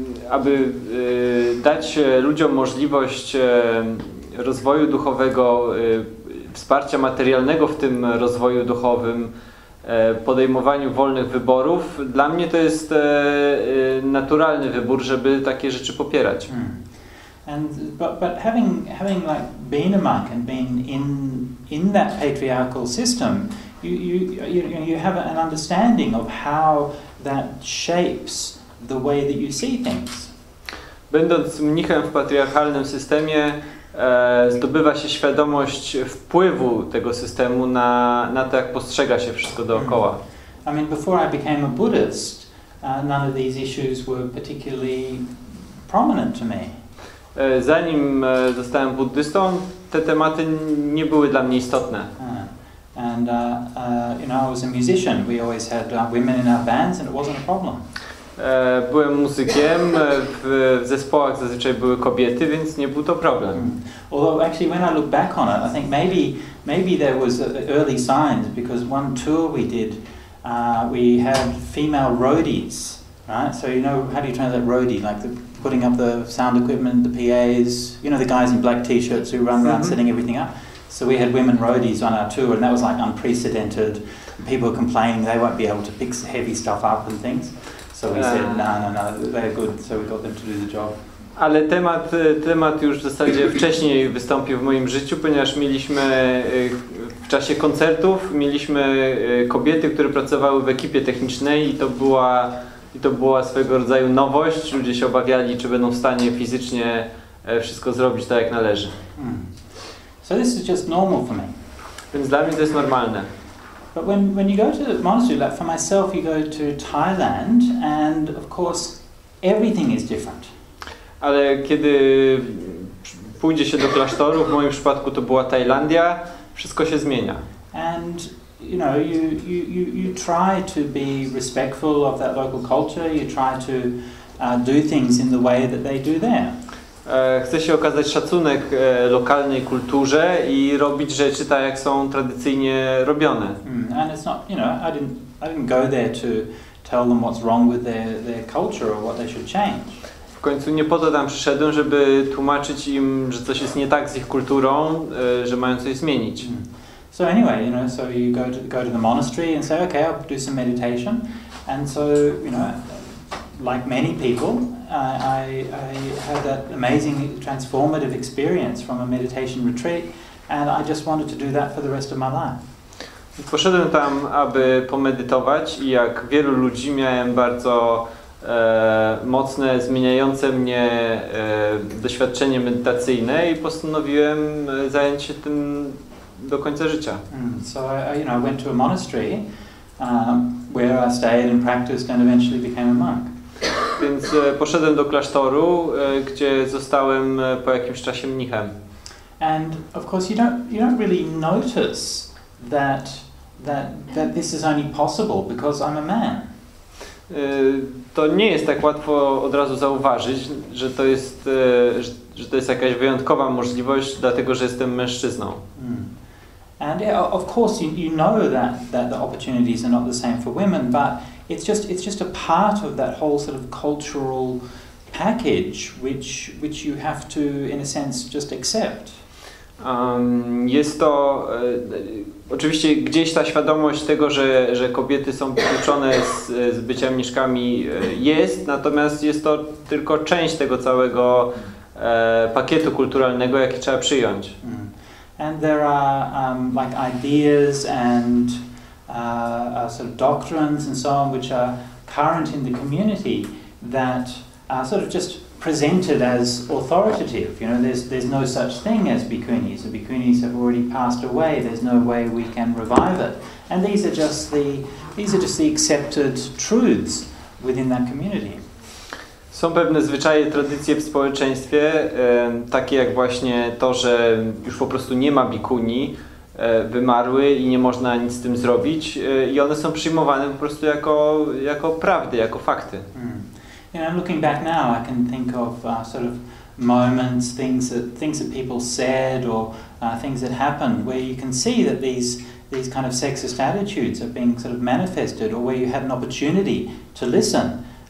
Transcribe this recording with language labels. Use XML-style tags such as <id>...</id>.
<pl>Aby dać ludziom możliwość rozwoju duchowego, wsparcia materialnego w tym rozwoju duchowym, podejmowaniu wolnych wyborów, dla mnie to jest naturalny wybór, żeby takie rzeczy popierać.</pl> <en>But having like been a monk and been in that patriarchal system, you have an understanding of how that shapes the way that you see things.</en> <pl>Będąc mnichem w patriarchalnym systemie, zdobywa się świadomość wpływu tego systemu na to, jak postrzega się wszystko dookoła.</pl> <en>I mean, before I became a Buddhist, none of these issues were particularly prominent to me.</en> <pl>Zanim zostałem buddystą, te tematy nie były dla mnie istotne.</pl> <en>And you know, I was a musician. We always had women in our bands, and it wasn't a problem.</en> <pl>Byłem muzykiem, w zespołach zazwyczaj były kobiety, więc nie był to problem.</pl> <en>Although actually when I look back on it, I think maybe there was early signs, because one tour we did, we had female roadies, right? So you know, how do you translate roadie? Like the putting up the sound equipment, the PAs, you know, the guys in black t-shirts who run around setting everything up. So we had women roadies on our tour, and that was like unprecedented. People were complaining they won't be able to pick heavy stuff up and things. So we said, no, they're good, so we got them to do the job.</en> <pl>Ale temat już w zasadzie wcześniej wystąpił w moim życiu, ponieważ mieliśmy w czasie koncertów, mieliśmy kobiety, które pracowały w ekipie technicznej i to była swego rodzaju nowość. Ludzie się obawiali, czy będą w stanie fizycznie wszystko zrobić tak, jak należy.</pl> <en>So this is just normal for me.</en> <pl>Więc dla mnie to jest normalne.</pl> <en>But when you go to the monastery, like for myself, you go to Thailand, and of course, everything is different.</en> <pl>Ale kiedy pójdzie się do klasztoru, w moim przypadku to była Tajlandia, wszystko się zmienia.</pl> <en>And you know, you try to be respectful of that local culture. You try to do things in the way that they do there.</en> <pl>Chcę się okazać szacunek lokalnej kulturze i robić rzeczy tak, jak są tradycyjnie robione.</pl> <en>And it's not, you know, I didn't go there to tell them what's wrong with their culture or what they should change.</en> <pl>W końcu nie po to tam przyszedłem, żeby tłumaczyć im, że coś jest nie tak z ich kulturą, że mają coś zmienić.</pl> <en>So anyway, you know, so you go to the monastery and say, okay, I'll do some meditation. And so, you know, like many people, I had that amazing transformative experience from a meditation retreat, and I just wanted to do that for the rest of my life.</en> <pl>Poszedłem tam, aby pomedytować, i jak wielu ludzi miałem bardzo mocne, zmieniające mnie doświadczenie medytacyjne i postanowiłem zająć się tym do końca życia.</pl> <en>So I went to a monastery where I stayed and practiced and eventually became a monk.</en> <pl>Więc poszedłem do klasztoru, gdzie zostałem po jakimś czasie mnichem.</pl> <en>And of course you don't really notice that this is only possible because I'm a man.</en> <pl>To nie jest tak łatwo od razu zauważyć, że to jest jakaś wyjątkowa możliwość, dlatego że jestem mężczyzną.</pl> <en>And yeah, of course you know that the opportunities are not the same for women, but it's just a part of that whole sort of cultural package which you have to in a sense just accept.</en> <pl>Jest to oczywiście gdzieś ta świadomość tego, że kobiety są połączone z bycia mniszkami jest, natomiast jest to tylko część tego całego pakietu kulturalnego, jaki trzeba przyjąć.</pl> <en>And there are like ideas and sort of doctrines and so on which are current in the community that are sort of just presented as authoritative. You know, there's no such thing as bhikkhunis. The bhikkhunis have already passed away. There's no way we can revive it. And these are just the accepted truths within that community.</en> <pl>Są pewne zwyczaje, tradycje w społeczeństwie, takie jak właśnie to, że już po prostu nie ma bikuni, wymarły i nie można nic z tym zrobić, i one są przyjmowane po prostu jako prawdy, jako fakty.</pl> <en>Mm. You know, looking back now, I can think of sort of moments, things that people said or things that happened, where you can see that these kind of sexist attitudes are being sort of manifested, or where you had an opportunity to listen.</en>